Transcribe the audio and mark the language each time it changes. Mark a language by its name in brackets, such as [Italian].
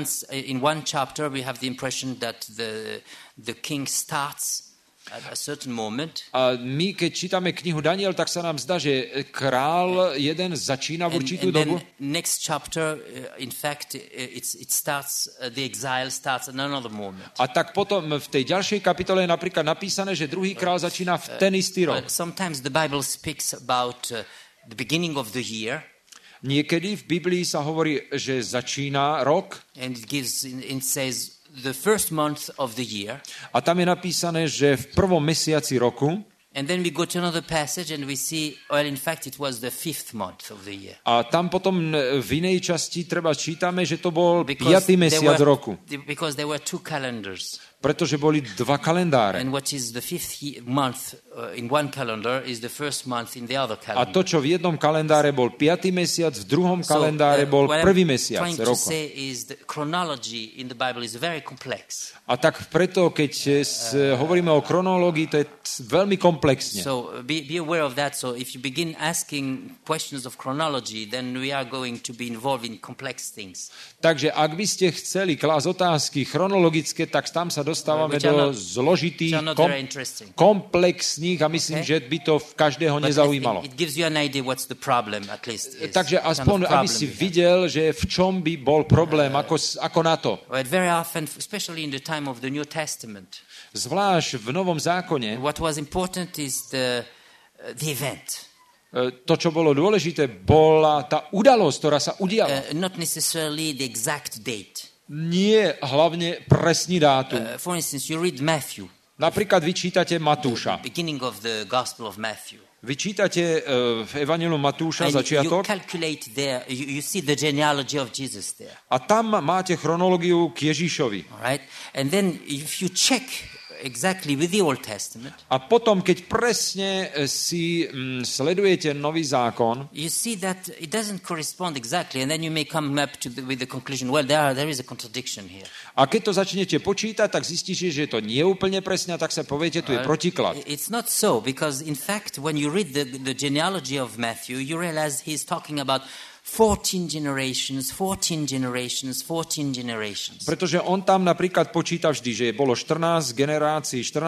[English] In one chapter we have the impression that the king starts at a certain moment. [Slovak] A my keď čítame knihu Daniel, tak sa nám zdá, že král jeden začína v určitú [English] and [Slovak] dobu. [English] Next chapter in fact it starts the exile starts at another moment. [Slovak] A tak potom v tej ďalšej kapitole je napríklad napísané, že druhý král začína v ten istý rok. [English] Sometimes the Bible speaks about the beginning of the year. [Slovak] Niekedy v Biblii sa hovorí, že začína rok. [English] And it says the first month of the year. [Slovak] A tam je napísané, že v prvom mesiaci roku. [English] And then we go to another passage and we see, well, in fact, it was the fifth month of the year. [Slovak] A tam potom v inej časti treba čítame, že to bol piatý mesiac roku. [English] Because there were two calendars. [Slovak] Pretože boli dva kalendáre. [English] And what is the fifth month in one calendar is the first month in the other calendar. [Slovak] A to, čo v jednom kalendáre bol piatý mesiac, v druhom kalendáre bol prvý mesiac roku. [English] What I'm trying to say is the chronology in the Bible is very complex. [Slovak] A tak preto, keď hovoríme o chronológii, to je veľmi komplexne. [English] So be aware of that. So if you begin asking questions of chronology, then we are going to be involved in complex things. [Slovak] Takže ak by ste chceli klásť otázky chronologické, tak tam sa dostávame do zložitých, komplexných a myslím, že by to v každého nezaujímalo. Takže aspoň, aby si videl, že v čom by bol problém, ako na to. [English] Very often, especially in the time of the New Testament. [Slovak] Zvlášť v Novom zákone. [English] What was important is the event. [Slovak] To, čo bolo dôležité, bola tá udalosť, ktorá sa udiala. [English] Not necessarily the exact date. [Slovak] Nie hlavne presný dátum. [English] For instance, you read Matthew. [Slovak] Napríklad vy čítate Matúša. [English] The beginning of the Gospel of Matthew. [Slovak] Vy čítate v Evanjeliu Matúša začiatok. [English] You calculate there, you see the genealogy of Jesus there. [Slovak] A tam máte chronológiu k Ježišovi. [English] All right? And then if you check exactly with the Old Testament. [Slovak] A potom keď presne si sledujete Nový zákon, [English] you see that it doesn't correspond exactly and then you may come up to with the conclusion well there is a contradiction here. [Slovak] A keď to začnete počítať, tak zistíte, že to nie je úplne presne, tak sa poviete, tu je protiklad. [English] It's not so because in fact when you read the genealogy of Matthew, you realize he's talking about 14 generations. [Slovak] Pretože on tam napríklad počíta vždy, že je bolo 14 generácií.